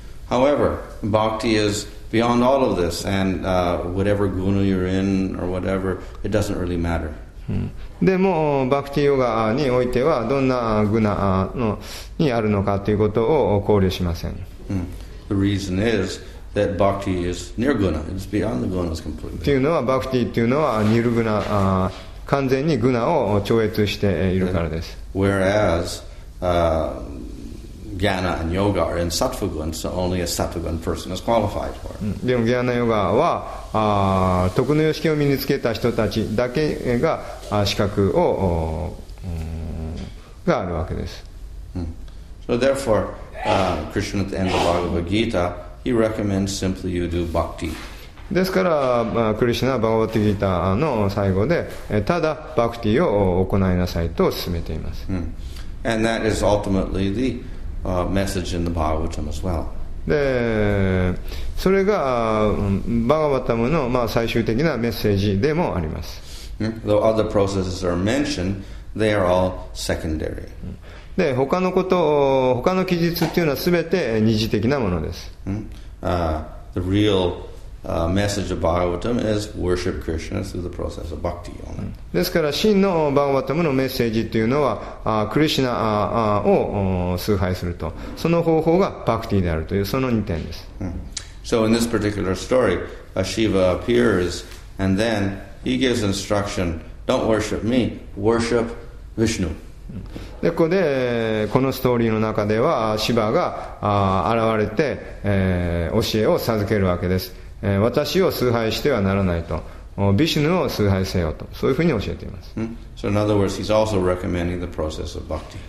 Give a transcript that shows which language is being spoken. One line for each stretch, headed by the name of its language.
English: However, bhakti is beyond all of this, and whatever guna you're in or whatever, it doesn't really matter.
Japanese: でも、バクティヨガにおいては、どんなグナのにあるのかということを考慮しません。 Mm-hmm.
English: The reason is that bhakti is near guna, it's beyond the gunas completely.
Japanese: というのは、バクティというのは、ニルグナ、完全にグナを超越しているからです。
English: Whereas, Jnana and Yoga are in Sattva Guna, so only a Sattva Guna person is qualified for it.
Japanese: でも Jnana Yoga は徳の様式を身につけた人たちだけが資格をがあるわけです。
English: So therefore, Krishna at the end of Bhagavad Gita, he recommends simply you do bhakti.
Japanese: ですから、クリシュナはバガヴァッド・ギーターの最後で、ただバクティを行いなさいと勧めています。
English: And that is ultimately theMessage in the Bhagavatam as well.
Japanese: で、それがバガヴァタムの、まあ、最終的なメッセージでもあります。
English: Though other processes are mentioned, they are all secondary.
Japanese: で、他のこと、他の記述っていうのはすべて二次的なものです。
English: The real message of Bhagavatam is worship Krishna through the process of bhakti.
Japanese: ですから真のバガヴァタムのメッセージというのはクリシナを崇拝するとその方法がバクティであるというその2点です。
English: So in this particular story, Shiva appears and then he gives instruction, don't worship me, worship Vishnu.
Japanese: でここでこのストーリーの中ではシヴァが現れて教えを授けるわけです。私を崇拝してはならないと、ビシュヌを崇拝せよと、そういうふうに教えています。
English: So in other words, he's also recommending the process of bhakti.